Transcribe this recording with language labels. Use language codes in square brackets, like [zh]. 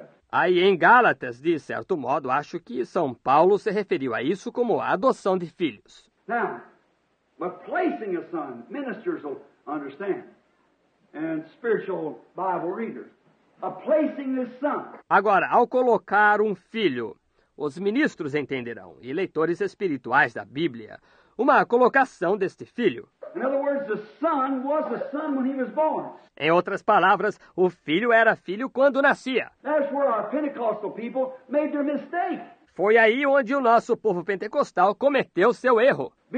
[pt] Aí em Gálatas, de certo modo, acho que São Paulo se referiu a isso como a adoção de filhos. [en] Now, but placing a son, ministers will understand, and spiritual Bible readers, a placing this son. [pt] Agora, ao colocar um filho, os ministros entenderão, e leitores espirituais da Bíblia, uma colocação deste filho. [en] In other words, the son was the son when he was born. [pt] Em outras palavras, o filho era filho quando nascia. [en] That's where our Pentecostal people made their mistake. [pt] Foi aí onde o nosso povo pentecostal cometeu seu erro.